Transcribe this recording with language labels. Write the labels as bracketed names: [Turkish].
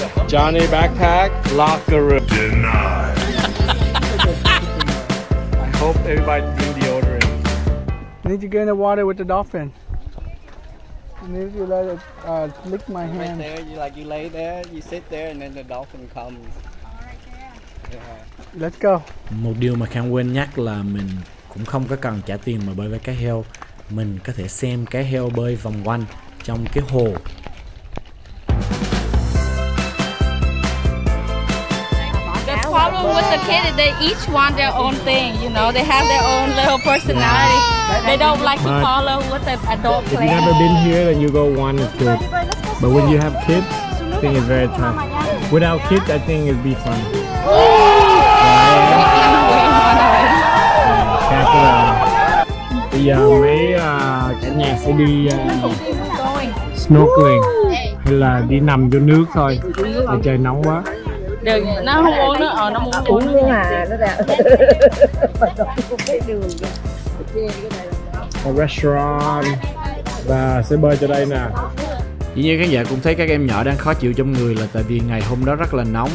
[English] Johnny backpack, locker room. Denied. I hope everybody bring deodorant. Need to get in the water with the dolphin. Maybe you let it lick my right hand. There, you like you lay there, you sit there, and then the dolphin comes. All right, yeah. Let's go. [Vietnamese] Một điều mà Khang quên nhắc là mình cũng không có cần trả tiền mà bơi với cá heo. Mình có thể xem cá heo bơi vòng quanh trong cái hồ. [English] With the kid, they each want their own thing, you know, they have their own little personality. They don't like to follow what the adult plays. If you've never been here, then you go one or two. But when you have kids, I think it's very tough. Without kids, I think it'd be fun. Snorkeling. [Vietnamese] Hay là đi nằm vô nước thôi, ở trời nóng quá. Nó không uống nữa. Một restaurant. Và sẽ bơi cho đây nè. Dĩ nhiên khán giả cũng thấy các em nhỏ đang khó chịu trong người là tại vì ngày hôm đó rất là nóng.